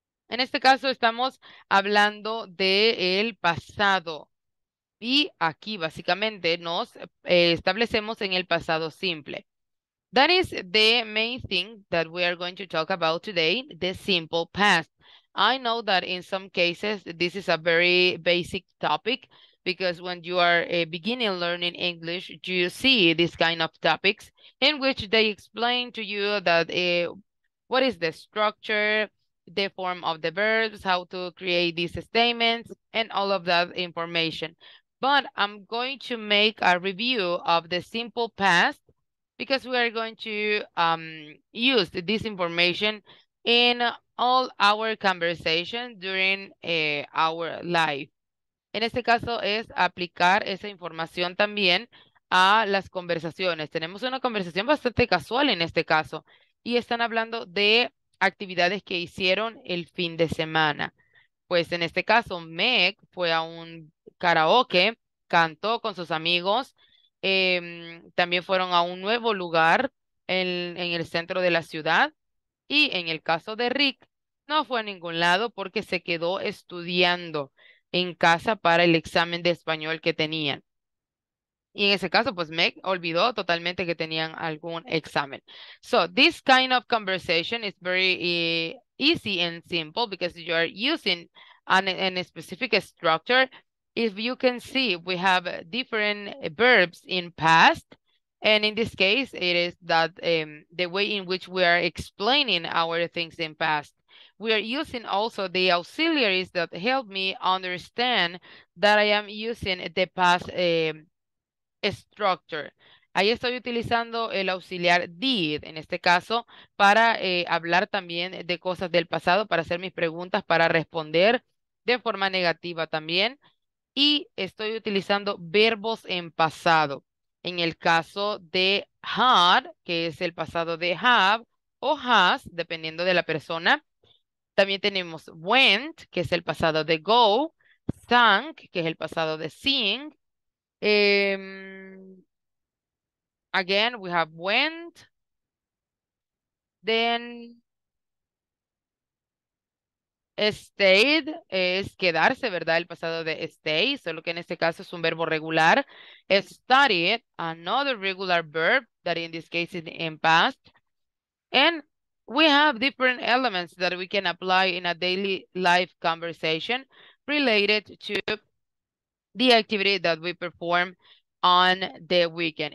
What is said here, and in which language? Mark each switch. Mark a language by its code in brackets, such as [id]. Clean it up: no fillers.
[es] En este caso estamos hablando de el pasado. Y aquí básicamente nos establecemos en el pasado simple. [en] That is the main thing that we are going to talk about today, the simple past. I know that in some cases this is a very basic topic, because when you are a beginning learning English, you see these kind of topics in which they explain to you that what is the structure, the form of the verbs, how to create these statements, and all of that information. But I'm going to make a review of the simple past, because we are going to use this information in all our conversation during our life. [es] En este caso es aplicar esa información también a las conversaciones. Tenemos una conversación bastante casual en este caso. Y están hablando de actividades que hicieron el fin de semana. Pues en este caso, Meg fue a un karaoke, cantó con sus amigos. También fueron a un nuevo lugar en el centro de la ciudad. Y en el caso de Rick, no fue a ningún lado porque se quedó estudiando en casa para el examen de español que tenían. Y en ese caso, pues Meg olvidó totalmente que tenían algún examen. [en] So, this kind of conversation is very easy and simple because you are using an specific structure. If you can see, we have different verbs in past. And in this case, it is that the way in which we are explaining our things in past. We are using also the auxiliaries that help me understand that I am using the past structure. [es] Ahí estoy utilizando el auxiliar did, en este caso, para hablar también de cosas del pasado, para hacer mis preguntas, para responder de forma negativa también. Y estoy utilizando verbos en pasado. En el caso de had, que es el pasado de have, o has, dependiendo de la persona. También tenemos went, que es el pasado de go, sang, que es el pasado de sing. [en] Again, we have went. [es] Then, stayed, es quedarse, ¿verdad? El pasado de stay, solo que en este caso es un verbo regular. [en] Studied, another regular verb, that in this case is in past. And we have different elements that we can apply in a daily life conversation related to the activity that we perform on the weekend.